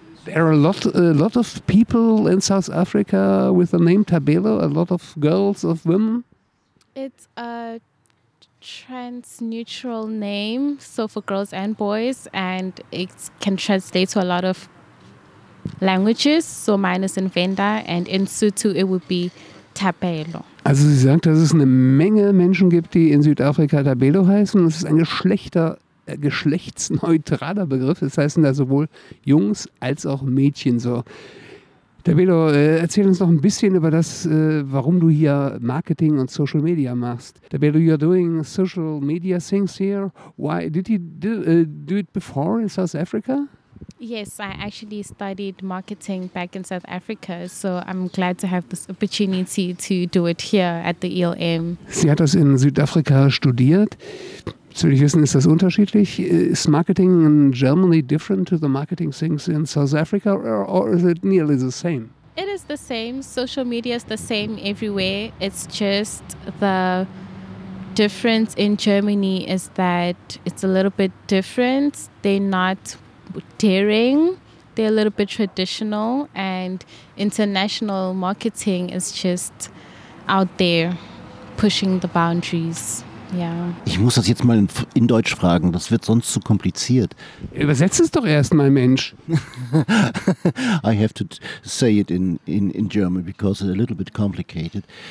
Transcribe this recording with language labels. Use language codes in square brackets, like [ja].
[en] There are a lot of people in South Africa with the name Tabelo, a lot of girls, of women. It's a trans-neutral name, so for girls and boys, and it can translate to a lot of languages. So mine is in Venda, and in Sotho it would be Tabelo. [de] Also sie sagt, dass es eine Menge Menschen gibt, die in Südafrika Tabelo heißen. Das ist ein geschlechtsneutraler Begriff. Das heißen da sowohl Jungs als auch Mädchen so. Tabelo, erzähl uns noch ein bisschen über das, warum du hier Marketing und Social Media machst. [en] Tabelo, you're doing social media things here. Why did you do it before in South Africa? Yes, I actually studied marketing back in South Africa, so I'm glad to have this opportunity to do it here at the ELM. [de] Sie hat das in Südafrika studiert. Soll ich wissen, ist das unterschiedlich? [en] Is marketing in Germany different to the marketing things in South Africa, or is it nearly the same? It is the same. Social media is the same everywhere. It's just the difference in Germany is that it's a little bit different. They're not daring, they're a little bit traditional, and international marketing is just out there pushing the boundaries. Yeah. [de] Ich muss das jetzt mal in Deutsch fragen, das wird sonst zu kompliziert. Übersetz es doch erst mal, Mensch. [en] I have to say it in German because it's a little bit complicated.